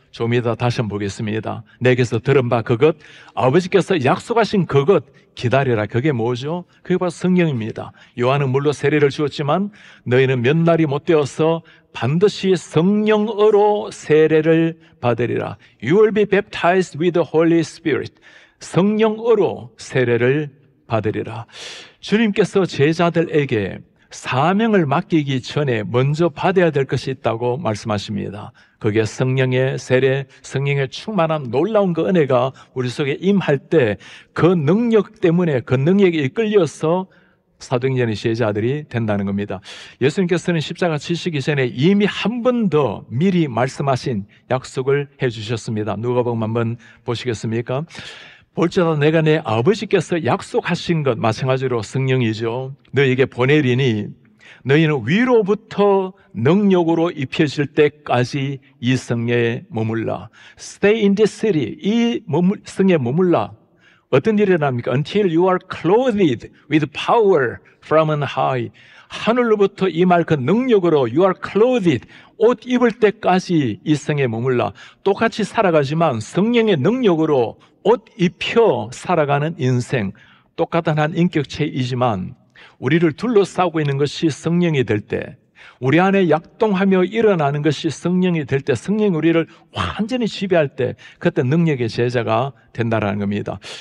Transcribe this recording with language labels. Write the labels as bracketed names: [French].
[Korean] 좀 이따 다시 한번 보겠습니다. 내게서 들은 바 그것, 아버지께서 약속하신 그것 기다려라. 그게 뭐죠? 그게 바로 성령입니다. 요한은 물로 세례를 주었지만 너희는 몇 날이 못 되어서 반드시 성령으로 세례를 받으리라. [English] You will be baptized with the Holy Spirit. [Korean] 성령으로 세례를 받으리라. 주님께서 제자들에게 사명을 맡기기 전에 먼저 받아야 될 것이 있다고 말씀하십니다. 그게 성령의 세례, 성령의 충만함, 놀라운 그 은혜가 우리 속에 임할 때 그 능력 때문에 그 능력에 이끌려서 사도행전의 제자들이 된다는 겁니다. 예수님께서는 십자가 지시기 전에 이미 한 번 더 미리 말씀하신 약속을 해주셨습니다. 누가복음 한번 보시겠습니까? 볼지어다 내가 내 아버지께서 약속하신 것, 마찬가지로 성령이죠. 너희에게 보내리니 너희는 위로부터 능력으로 입혀질 때까지 이 성에 머물라. [English] Stay in this city. [Korean] 이 성에 머물라. 어떤 일이 일어납니까? [English] Until you are clothed with power from on high. [Korean] 하늘로부터 임할 그 능력으로 [English] you are clothed. [Korean] 옷 입을 때까지 이 성에 머물라. 똑같이 살아가지만 성령의 능력으로 옷 입혀 살아가는 인생, 똑같은 한 인격체이지만 우리를 둘러싸고 있는 것이 성령이 될 때, 우리 안에 약동하며 일어나는 것이 성령이 될 때, 성령이 우리를 완전히 지배할 때 그때 능력의 제자가 된다라는 겁니다.